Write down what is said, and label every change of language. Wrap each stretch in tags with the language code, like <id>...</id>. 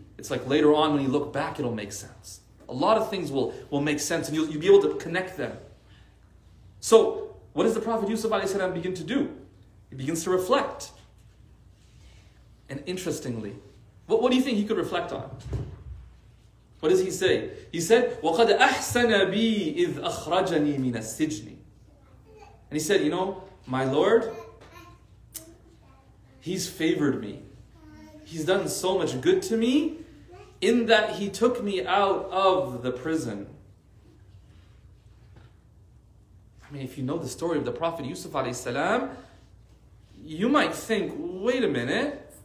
<en>It's like later on when you look back, it'll make sense. A lot of things will make sense and you'll be able to connect them. So what does the Prophet Yusuf alayhi salam begin to do? He begins to reflect. And interestingly, what do you think he could reflect on? What does he say? He said,</en> <ar>وَقَدْ أَحْسَنَ بِي إِذْ أَخْرَجَنِي مِنَ السِّجْنِ.</ar> <en>And he said, you know, my Lord, He's favored me. He's done so much good to me in that He took me out of the prison. I mean, if you know the story of the Prophet Yusuf alayhi salam, you might think, wait a minute.</en>